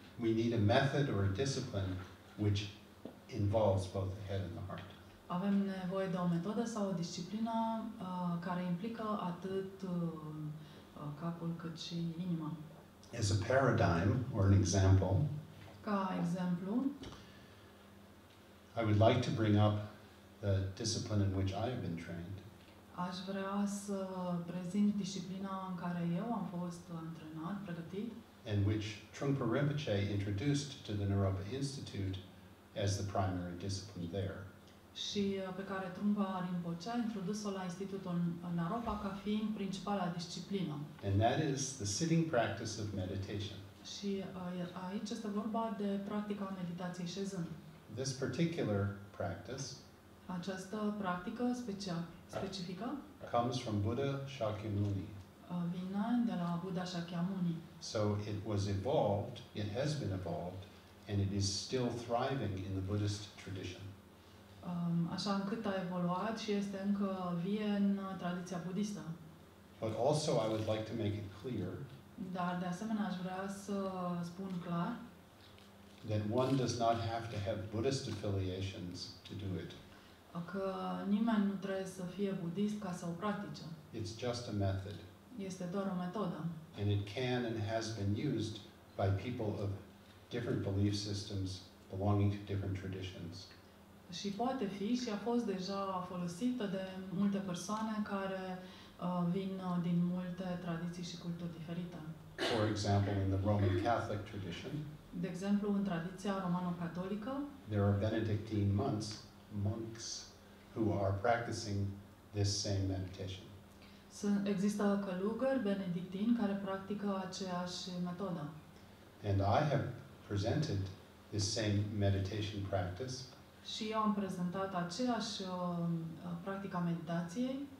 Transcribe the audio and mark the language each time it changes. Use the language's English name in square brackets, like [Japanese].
[English] we need a method or a discipline which involves both the head and the heart. [Romanian] Avem nevoie de o metodă sau o disciplină care implică atât capul cât și inima. [English] As a paradigm or an example, [Romanian] ca exemplu, [English] I would like to bring up the discipline in which I have been trained. [Romanian] Aș vrea să prezint disciplina în care eu am fost antrenat, pregătit. [English] And which Trungpa Rinpoche introduced to the Naropa Institute as the primary discipline there. [Romanian] Și pe care Trungpa Rinpoche a introdus-o la Institutul Naropa ca fiind principala disciplină. [English] And that is the sitting practice of meditation. [Romanian] Și aici este vorba de practica meditației șezând. [English] This particular practice, [Romanian] această practică specifică, [English] comes from Buddha Shakyamuni. [Romanian] Vine de la Buddha Shakyamuni. [English] So it was evolved, it has been evolved, and it is still thriving in the Buddhist tradition. [Romanian] Așa încât a evoluat și este încă vie în tradiția budistă. [English] But also I would like to make it clear. [Romanian] Dar de asemenea aș vrea să spun clar. [English] That one does not have to have Buddhist affiliations to do it. [Romanian] Că nimeni nu trebuie să fie budist ca să o practice. [English] It's just a method. [Romanian] Este doar o metodă. [English] And it can and has been used by people of different belief systems belonging to different traditions. [Romanian] Și poate fi și a fost deja folosită de multe persoane care vin din multe tradiții și culturi diferite. [English] For example, in the Roman Catholic tradition. [Romanian] De exemplu, în tradiția romano-catolică. [English] There are Benedictine monks who are practicing this same meditation. [Romanian] Există călugări benedictini care practică aceeași metodă. [English] And I have presented the same meditation practice. [Romanian] Și eu am prezentat aceeași practică a meditației.